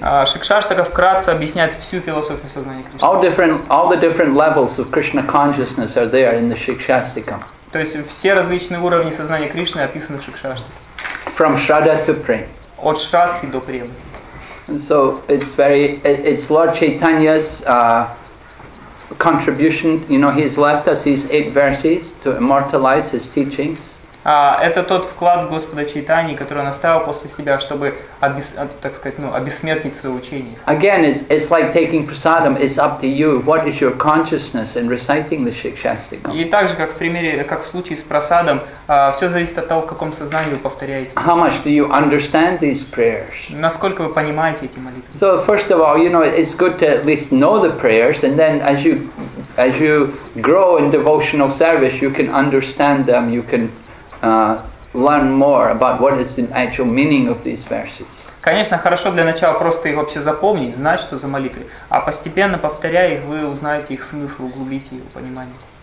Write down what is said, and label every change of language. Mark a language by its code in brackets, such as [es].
[ru] Шикшаштака вкратце объясняет всю философию сознания Кришны. [en] All the different levels of Krishna consciousness are there in the Шикшаштика. [ru] То есть все различные уровни сознания Кришны описаны в Шикшаштике. [en] From Shraddha to Prema. [ru] От Шраддхи до Премы. [en] So it's Lord Chaitanya's contribution. You know, he's left us these 8 verses to immortalize his teachings. [ru] это тот вклад Господа Чайтаньи, который он оставил после себя, чтобы, так сказать, ну, обессмертить свое учение. [en] Again, it's like taking prasadam. It's up to you. What is your consciousness in reciting the Shikshastikam? [ru] И также, как в примере, как в случае с прасадом, все зависит от того, в каком сознании вы повторяете. [en] How much do you understand these prayers? [ru] Насколько вы понимаете эти молитвы? [en] So, first of all, you know, it's good to at least know the prayers, and then as you grow in devotional service, you can understand them. You can learn more about what is the actual meaning of these verses. [ru] Конечно, хорошо для начала просто их вообще запомнить, знать, что за молитвы, а постепенно повторяя их, вы узнаете их смысл, углубите его понимание.